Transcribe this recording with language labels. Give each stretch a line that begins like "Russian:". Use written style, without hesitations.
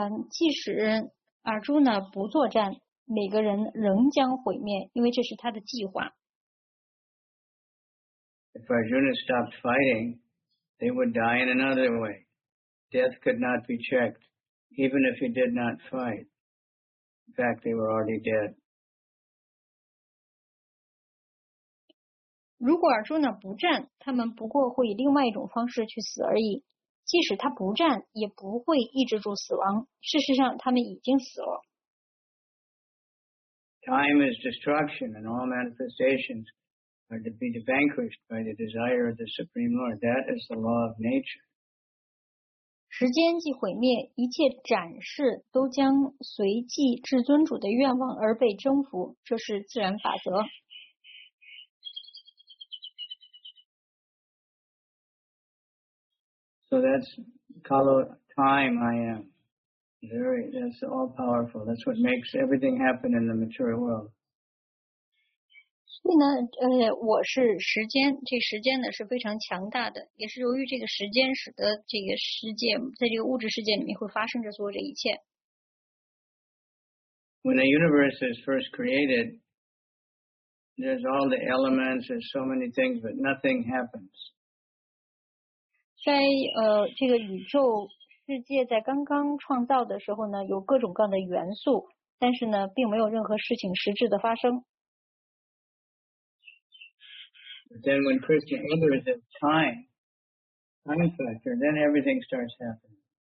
Chinese: 即使阿朱呢不作战，每个人仍将毁灭，因为这是他的计划。
English: If Arjuna stopped fighting, they would die in another way. Death could not be checked, even if he did not fight. In fact, they were already dead.
Chinese: 如果阿朱呢不战，他们不过会以另外一种方式去死而已。即使他不战，也不会抑制住死亡。事实上，他们已经死了。
English: Time is destruction, and all manifestations are to be vanquished by the desire of the Supreme Lord. That is the law of nature.
Chinese: 时间即毁灭，一切展示都将随即至尊主的愿望而被征服，这是自然法则。
English: So that's Kalo time I am. That's all powerful. That's what makes everything happen in the material world.
Chinese: 所以呢，我是时间，这时间呢是非常强大的，也是由于这个时间使得这个世界，在这个物质世界里面会发生着所有这一切。
English: When the universe is first created, there's all the elements, there's so many things, but nothing happens.
Chinese: 在这个宇宙世界在刚刚创造的时候呢，有各种各样的元素，但是呢，并没有任何事情实质的发生。
English: Then when Krishna enters the time factor, then everything starts happening.